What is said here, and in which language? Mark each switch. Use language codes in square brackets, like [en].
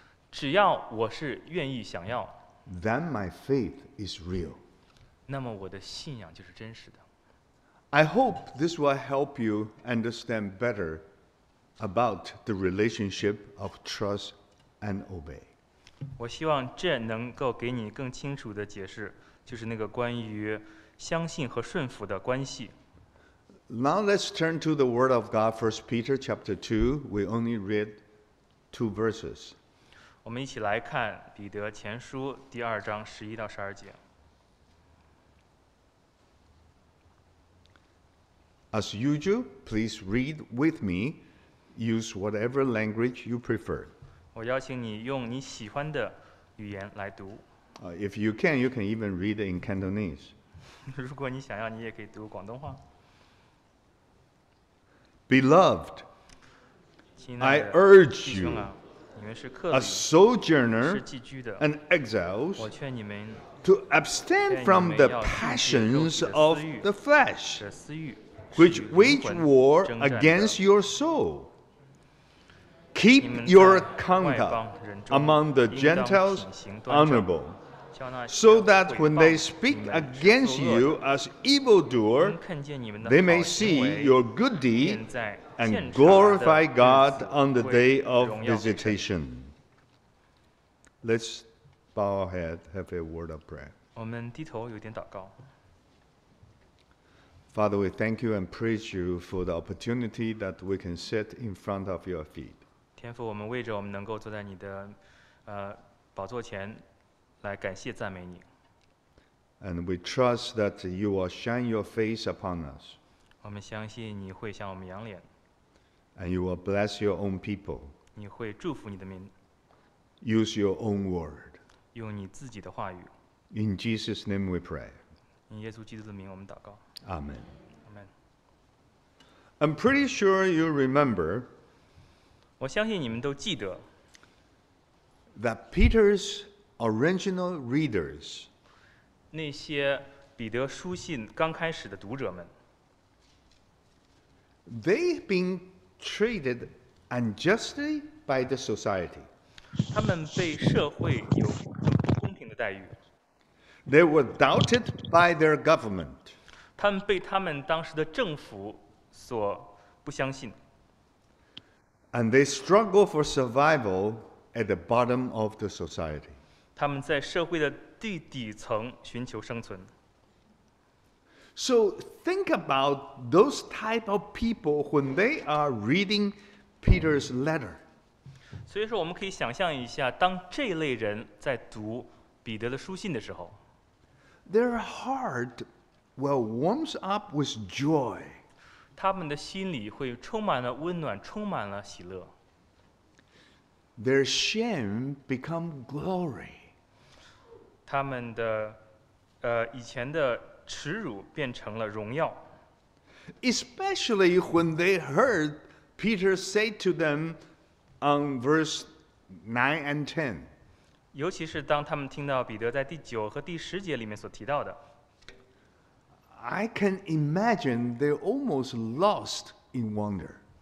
[zh] 只要我是愿意想要。 [en] Then my faith is real. [zh] 那么我的信仰就是真实的。 [en] I hope this will help you understand better about the relationship of trust and obey. [zh] 我希望这能够给你更清楚的解释，就是那个关于相信和顺服的关系。 [en] Now let's turn to the Word of God, 1 Peter chapter 2. We only read two verses. [zh] 我们一起来看彼得前书第二章十一到十二节。 [en] As usual, please read with me. Use whatever language you prefer. [zh] 我邀请你用你喜欢的语言来读。 [en] If you can, you can even read in Cantonese. [zh] 如果你想要，你也可以读广东话。 [en] Beloved, [zh] 亲爱的弟兄啊, [en] I urge you, [zh] 你们是客旅, [en] a sojourner, [zh] 是寄居的, [en] and exiles, [zh] 我劝你们, [en] to abstain from the passions of the flesh. Which wage war against your soul. Keep your conduct among the Gentiles honorable, so that when they speak against you as evildoers, they may see your good deed and glorify God on the day of visitation. Let's bow our head, have a word of prayer. Father, we thank you and praise you for the opportunity that we can sit in front of your feet. [zh] 天父，我们为着我们能够坐在你的宝座前来感谢赞美你。 [en] And we trust that you will shine your face upon us. [zh] 我们相信你会向我们扬脸。 [en] And you will bless your own people. [zh] 你会祝福你的民。 [en] Use your own word. [zh] 用你自己的话语。 [en] In Jesus' name we pray. [zh] 用耶稣基督的名我们祷告。 [en] Amen. Amen. I'm pretty sure you remember. [zh] 我相信你们都记得。 [en] That Peter's original readers. [zh] 那些彼得书信刚开始的读者们。 [en] They've been treated unjustly by the society. [zh] 他们被社会有不公平的待遇。 [en] They were doubted by their government. [zh] 他们被他们当时的政府所不相信。 [en] And they struggle for survival at the bottom of the society. [zh] 他们在社会的最底层寻求生存。 [en] So think about those type of people when they are reading Peter's letter. [zh] 所以说我们可以想象一下当这类人在读彼得的书信的时候。 [en] Their heart Well, warms up with joy. [zh] 他们的心里会充满了温暖，充满了喜乐。 [en] Their shame become glory. [zh] 他们的以前的耻辱变成了荣耀。 [en] Especially when they heard Peter say to them on verse 9 and 10. [zh] 尤其是当他们听到彼得在第九和第十节里面所提到的。 [en] I can imagine they almost lost in wonder.